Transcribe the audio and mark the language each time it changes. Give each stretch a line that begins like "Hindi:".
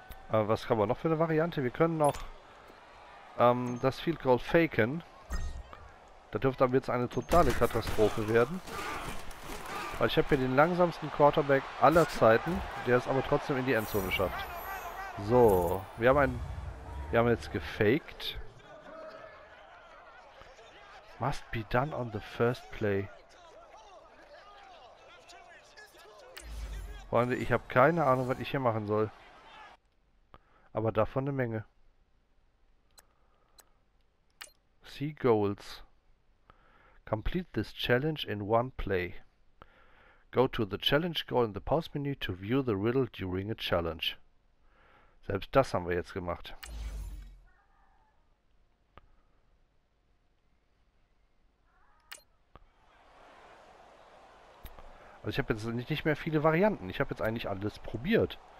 German: Was haben wir noch für eine Variante? Wir können noch das Field Goal faken. Da dürfte aber jetzt eine totale Katastrophe werden. Weil ich habe hier den langsamsten Quarterback aller Zeiten, der es aber trotzdem in die Endzone schafft. So, wir haben jetzt gefaked.
English: Must be done on the first play.
German: Freunde, ich habe keine Ahnung, was ich hier machen soll. Aber davon eine Menge.
English: Seagulls. Complete this challenge in one play. Go to the challenge goal in the pause menu to view the riddle during a challenge.
German: Selbst das haben wir jetzt gemacht. Also ich habe jetzt nicht mehr viele Varianten. Ich habe jetzt eigentlich alles probiert.